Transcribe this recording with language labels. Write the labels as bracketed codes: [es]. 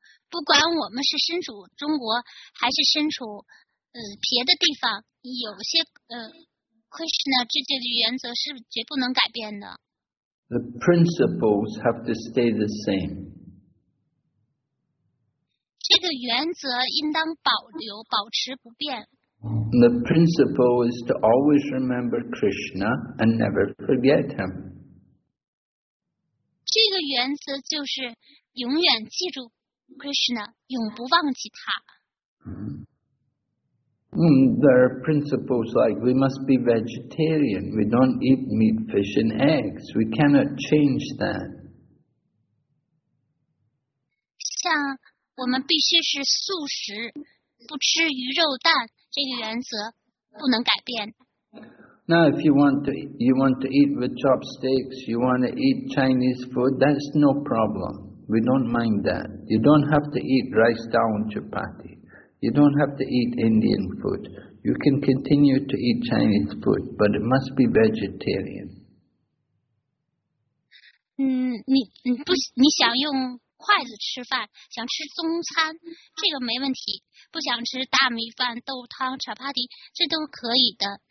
[zh] 不管我们是身处中国还是身处别的地方，有些Krishna 直觉的原则是绝不能改变的。 [en] The principles have to stay the same. [zh] 这个原则应当保留，保持不变。 [en] The principle is to always remember Krishna and never forget him. [zh] 这个原则就是永远记住 Krishna， 永不忘记他。 [en] There are principles like we must be vegetarian. We don't eat meat, fish, and eggs. We cannot change that. [zh] 像我们必须是素食，不吃鱼肉蛋，这个原则不能改变。 [en] Now, if you want to eat with chopsticks, you want to eat Chinese food, that's no problem. We don't mind that. You don't have to eat rice dal and chapati. You don't have to eat Indian food. You can continue to eat Chinese food, but it must be vegetarian. [zh] 你想用筷子吃饭，想吃中餐，这个没问题。不想吃大米饭、豆汤、茶帕迪，这都可以的。